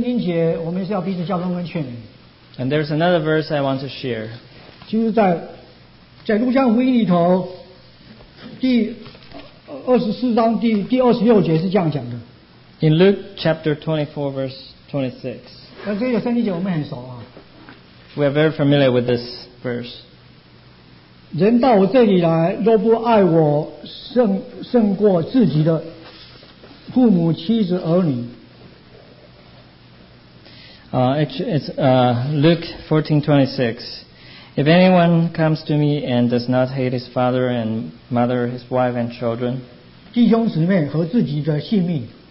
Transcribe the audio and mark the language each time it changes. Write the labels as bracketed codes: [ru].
[zh] 另外有一处的圣经节,我们是要彼此交通跟劝勉。 [en] And there's another verse I want to share. [zh] 就是在路加福音里头第 24章第26节是这样讲的。 [en] In Luke chapter 24 verse 26. [zh] 那这个圣经节我们很熟啊。 [en] We are very familiar with this verse. [zh] 人到我这里来若不爱我胜过自己的父母妻子儿女。 [en] Luke 14:26. If anyone comes to me and does not hate his father and mother, his wife and children, [zh] 弟兄姊妹和自己的性命,